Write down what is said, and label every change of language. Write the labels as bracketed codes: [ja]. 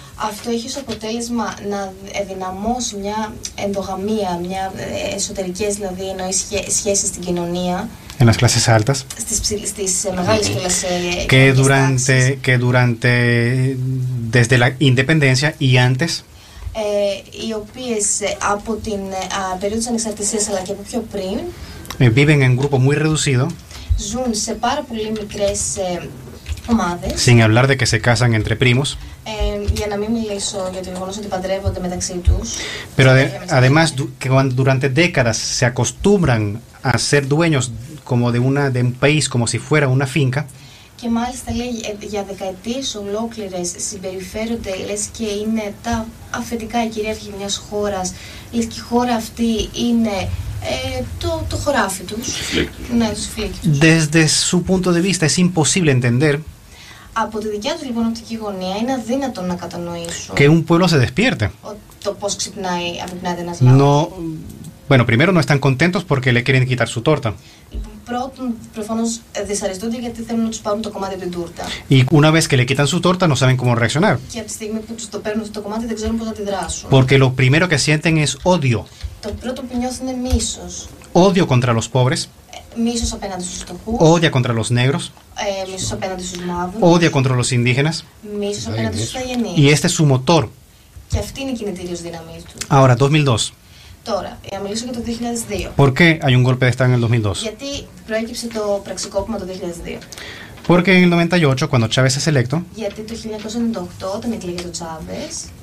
[el] Αυτό έχει ως αποτέλεσμα να δυναμώσει μια ενδογαμία, μια εσωτερικές δηλαδή εννοείς σχέσεις στην κοινωνία. [es] En las clases altas. [el] Στις μεγάλες κλάσεις. [es] Que durante desde la independencia y antes. [el] Οι οποίες από την περίοδο της ανεξαρτησίας αλλά και από πιο πριν [es] viven en grupo muy reducido, [el] ζουν σε πάρα πολύ μικρές ομάδες, [es] sin hablar de que se casan entre primos, [el] για να μην μιλήσω για το γεγονός ότι παντρεύονται μεταξύ τους, [es] pero además que durante décadas se acostumbran a ser dueños como de un país como si fuera una finca. [el] Και μάλιστα λέει για δεκαετίες ολόκληρες συμπεριφέρονται λες και είναι τα αφεντικά η κυρίαρχη μιας χώρας, λες και η χώρα αυτή είναι το χωράφι τους. Ναι, τους φλίκτους. [es] Desde su punto de vista es imposible entender. [el] Από τη δικιά του λοιπόν οπτική γωνία είναι αδύνατο να κατανοήσω. [es] Que un pueblo se despierte. [el] Το πώς ξυπνάει, αφυπνάται ένας λαός. [es] No, bueno, primero no están contentos porque le quieren quitar su torta. [el] Πρώτον, προφανώς δυσαρεστούνται γιατί θέλουν να τους πάρουν το κομμάτι από την τούρτα. [es] Y una vez que le quitan su torta, no saben cómo reaccionar. [el] Και από τη στιγμή που τους το παίρνουν το κομμάτι, δεν ξέρουν πώς θα αντιδράσουν. [es] Porque lo primero que sienten es odio. [el] Το πρώτο που νιώθουν είναι μίσος. [es] Odio contra los pobres. [el] Μίσος απέναντι στους φτωχούς. [es] Odia contra los negros. [el] Μίσος απέναντι στους μαύρους. [es] Odia contra los indígenas. [el] Μίσος απέναντι στους αγενείς. [es] Y este es su motor. [el] Και αυτή είναι η κινητήριος δύναμή του. [es] Ahora, 2002. [el] Τώρα, για να μιλήσω για το 2002. [es] ¿Por qué hay un golpe de Estado en el 2002? [el] Γιατί προέκυψε το πραξικόπημα το 2002. [es] Porque en el 98, cuando Chávez es electo. [el] Γιατί το 1998, όταν εκλέγει το Chávez.